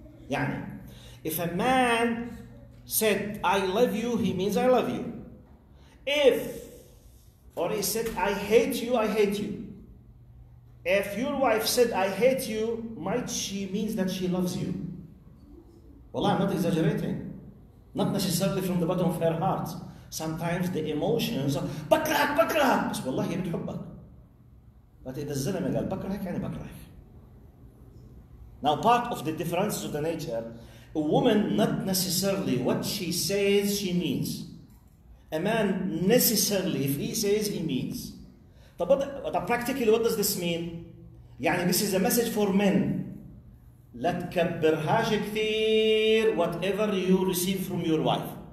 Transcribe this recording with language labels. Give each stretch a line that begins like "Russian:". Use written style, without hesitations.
English: يعني, if a man said, I love you, he means I love you. If, or he said, I hate you, I hate you. If your wife said, I hate you, might she means that she loves you. Well, I'm not exaggerating. Not necessarily from the bottom of her heart. Sometimes the emotions are
Arabic: بكرهك بكرهك بس والله هي بتحبك.
English: But if the
Arabic: زلمة قال بكرهك يعني بكرهك.
English: Now part of the differences of the nature, a woman not necessarily what she says she means. A man necessarily if he says he means. طب what practically what does this mean? يعني this is a message for men.
Arabic: لا تكبرهاش كثير
English: whatever you receive from your wife.